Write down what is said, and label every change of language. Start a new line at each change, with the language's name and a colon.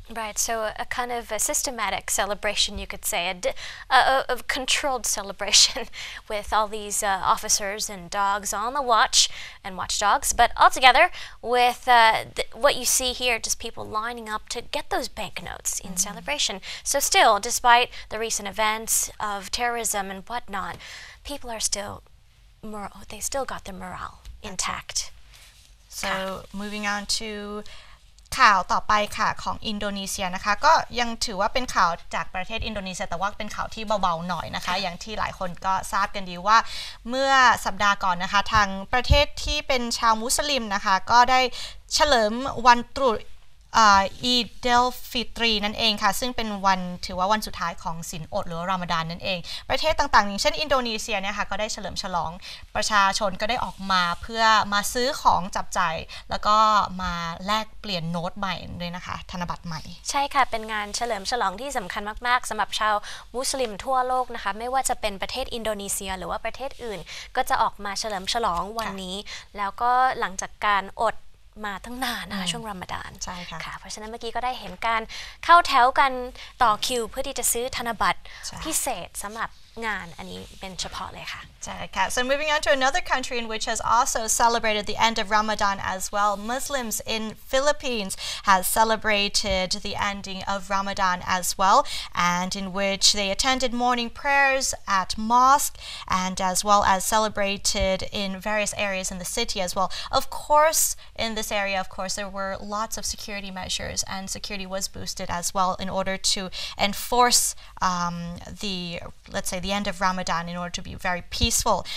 English: Right, so a kind of a systematic celebration, you could say, a controlled celebration with all these officers and dogs on the watch and watchdogs, but altogether with what you see here, just people lining up to get those banknotes in celebration. So still, despite the recent events of terrorism and whatnot, people are still, they still got their morale intact. So moving on to...
Thai: ข่าวต่อไปค่ะของอินโดนีเซียนะคะก็ยังถือว่าเป็นข่าวจากประเทศอินโดนีเซียแต่ว่าเป็นข่าวที่เบาๆหน่อยนะคะอย่างที่หลายคนก็ทราบกันดีว่าเมื่อสัปดาห์ก่อนนะคะทางประเทศที่เป็นชาวมุสลิมนะคะก็ได้เฉลิมวันตรุษ อีดเดลฟิตรีนั่นเองค่ะซึ่งเป็นวันถือว่าวันสุดท้ายของศีลอดหรือรอมฎอนนั่นเองประเทศต่างๆอย่างเช่นอินโดนีเซียเนี่ยค่ะก็ได้เฉลิมฉลองประชาชนก็ได้ออกมาเพื่อมาซื้อของจับจ่ายแล้วก็มาแลกเปลี่ยนโน้ตใหม่ด้วยนะคะธนบัตรใหม่ ใช่ค่ะเป็นงานเฉลิมฉลองที่สำคัญมากๆสำหรับชาวมุสลิมทั่วโลกนะคะไม่ว่าจะเป็นประเทศอินโดนีเซียหรือว่าประเทศอื่นก็จะออกมาเฉลิมฉลองวันนี้แล้วก็หลังจากการอดมาตั้งนานนะคะช่วงรอมฎอน ใช่ค่ะ ค่ะเพราะฉะนั้นเมื่อกี้ก็ได้เห็นการเข้าแถวกันต่อคิวเพื่อที่จะซื้อธนบัตรพิเศษสำหรับงานอันนี้เป็นเฉพาะเลยค่ะ ใช่ค่ะ
English: so moving on to another country in which has also celebrated the end of Ramadan as well Muslims in Philippines has celebrated the ending of Ramadan as well and in which they attended morning prayers at mosque and as well as celebrated in various areas in the city as well of course in this area of course there were lots of security measures and security was boosted as well in order to enforce the let's say the end of Ramadan in order to be very peaceful.